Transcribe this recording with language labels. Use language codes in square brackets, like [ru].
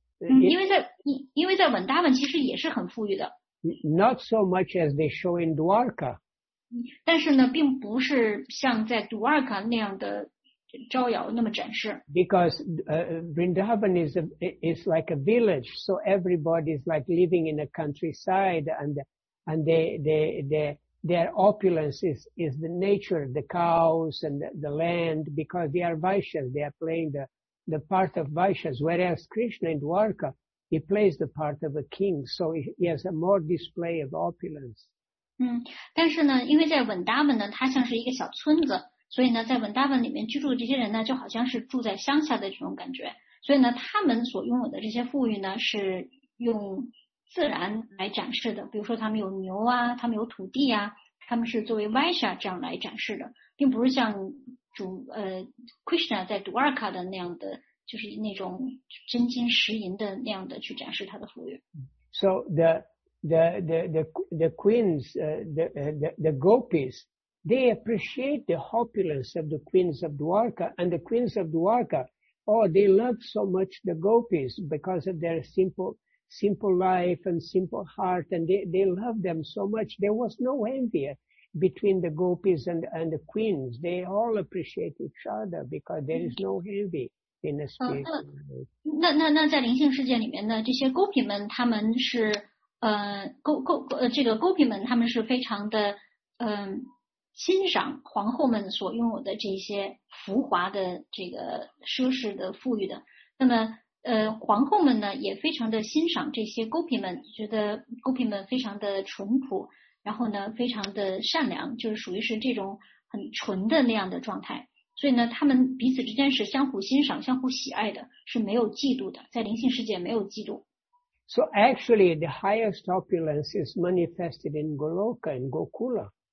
[zh] 因为在文达文其实也是很富裕的。 [en] Not so much as they show in Dwarka. [zh] 但是呢，并不是像在 Dwarka 那样的招摇那么展示。 [en] Because Vrindavan is like a village, so everybody is like living in the countryside, and their opulence is the nature, the cows and the land, because they are Vaishyas, they are playing the part of Vaishyas, whereas Krishna in Dwarka, he plays the part of a king, so he has a more display of opulence. [zh] 但是呢，因为在文达文呢，它像是一个小村子，所以呢，在文达文里面居住的这些人呢，就好像是住在乡下的这种感觉，所以呢，他们所拥有的这些富裕呢，是用自然来展示的，比如说他们有牛啊，他们有土地啊，他们是作为 Vaishya 这样来展示的，并不是像主Krishna 在 Dwarka 的那样的，就是那种真金实银的那样的去展示他的富裕。 [en] So the queens, the gopis, they appreciate the opulence of the queens of Dwarka, and the queens of Dwarka, oh, they love so much the gopis because of their simple life and simple heart, and they love them so much. There was no envy between the gopis and the queens. They all appreciate each other because there is no envy in the spiritual world. [zh] 那在灵性世界里面呢，这些 Gopi 们，他们是这个 Gopi 们，他们是非常的欣赏皇后们所拥有的这些浮华的这个奢侈的富裕的。那么皇后们呢也非常的欣赏这些 Gopi 们，觉得 Gopi 们非常的淳朴，然后呢非常的善良，就是属于是这种很纯的那样的状态。所以呢，他们彼此之间是相互欣赏、相互喜爱的，是没有嫉妒的，在灵性世界没有嫉妒。 [en] So actually, the highest opulence is manifested in Goloka and Gokula.